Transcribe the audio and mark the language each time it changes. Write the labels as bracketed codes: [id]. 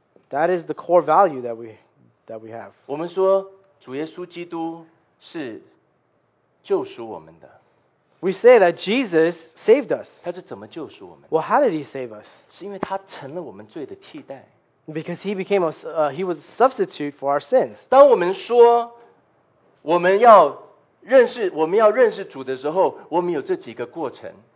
[en] That is the core value that we have. [zh] 我们说主耶稣基督是救赎我们的。 [en] We say that Jesus saved us. [zh] 他是怎么救赎我们？ [en] Well, how did he save us? [zh] 是因为他成了我们罪的替代。 [en] Because he became he was a substitute for our sins. [zh] 当我们说我们要认识主的时候，我们有这几个过程。